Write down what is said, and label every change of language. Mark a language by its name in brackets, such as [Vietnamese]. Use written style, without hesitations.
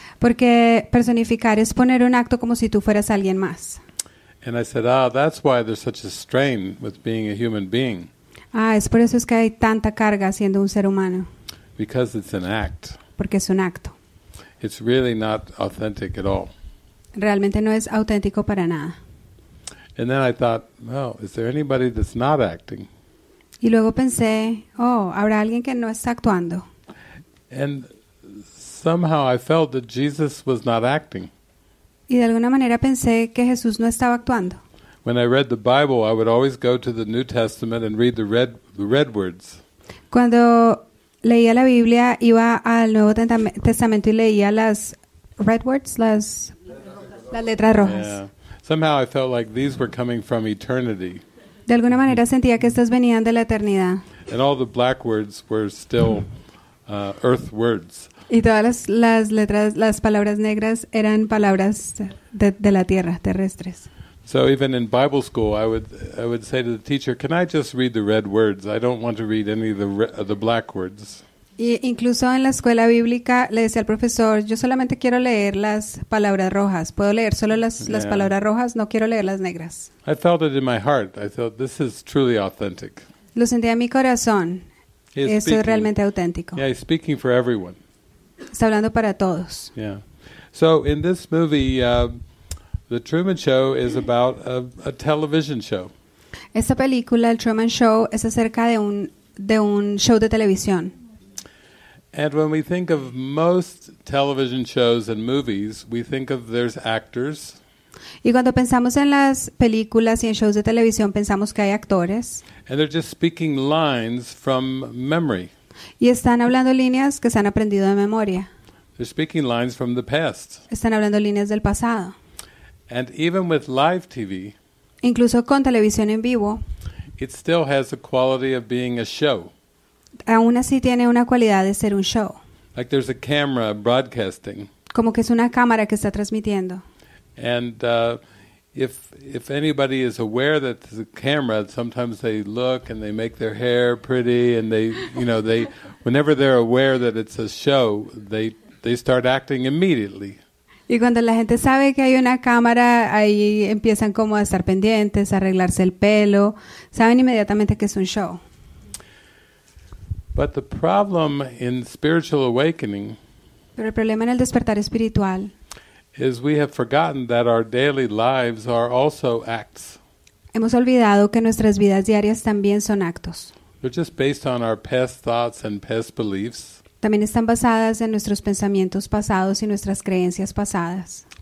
[Spanish] Porque personificar es poner un acto como si tú fueras alguien más. [English] And I said, that's why there's such a strain with being a human being. [Spanish] Ah, es por eso es que hay tanta carga siendo un ser humano. [English] Because it's an act. [Spanish] Porque es un acto. [English] It's really not authentic at all. [Spanish] Realmente no es auténtico para nada. [English] And then I thought, is there anybody that's not acting? [Spanish] Y luego pensé, ¿habrá alguien que no está actuando? [English] And somehow I felt that Jesus was not acting. [Spanish] Y de alguna manera pensé que Jesús no estaba actuando. [English] When I read the Bible, I would always go to the New Testament and read the red words. [Spanish] Cuando leía la Biblia, iba al Nuevo Testamento y leía las [English] red words, [Spanish] las letras rojas. [English] Yeah. Somehow I felt like these were coming from eternity. [Spanish] De alguna manera sentía que estas venían de la eternidad. [English] And all the black words were still earth words. [Spanish] Y todas las letras, las palabras negras eran palabras de la tierra, terrestres. [English] So even in Bible school, I would say to the teacher, "Can I just read the red words? I don't want to read any of the black words." [Spanish] Y incluso en la escuela bíblica le decía al profesor, "Yo solamente quiero leer las palabras rojas. Puedo leer solo las palabras rojas. No quiero leer las negras." [English] I felt it in my heart. I thought this is truly authentic. [Spanish] Lo sentía en mi corazón. Esto es realmente auténtico. [English] Yeah, he's speaking for everyone. [Spanish] Está hablando para todos. [English] Yeah. So in this movie, the Truman Show is about a television show. [Spanish] Esta película, el Truman Show, es acerca de un show de televisión. [English] And when we think of most television shows and movies, we think of there's actors. [Spanish] Y cuando pensamos en las películas y en shows de televisión, pensamos que hay actores. [English] And they're just speaking lines from memory. [Spanish] Y están hablando líneas que se han aprendido de memoria. [English] They're speaking lines from the past. [Spanish] Están hablando líneas del pasado. [English] And even with live TV, [Spanish] incluso con televisión en vivo, [English] it still has the quality of being a show. [Spanish] Aún así tiene una cualidad de ser un show. [English] Like there's a camera broadcasting. [Spanish] Como que es una cámara que está transmitiendo. [English] And if anybody is aware that there's a camera, sometimes they look and they make their hair pretty, and they, you know, they whenever they're aware that it's a show, they start acting immediately. [Spanish] Y cuando la gente sabe que hay una cámara, ahí empiezan como a estar pendientes, a arreglarse el pelo. Saben inmediatamente que es un show. [English] But the problem in spiritual awakening, [Spanish] pero el problema en el despertar espiritual, [English] is we have forgotten that our daily lives are also acts. [Spanish] Hemos olvidado que nuestras vidas diarias también son actos. [English] They're just based on our past thoughts and past beliefs. [Spanish] También están basadas en nuestros pensamientos pasados y nuestras creencias pasadas.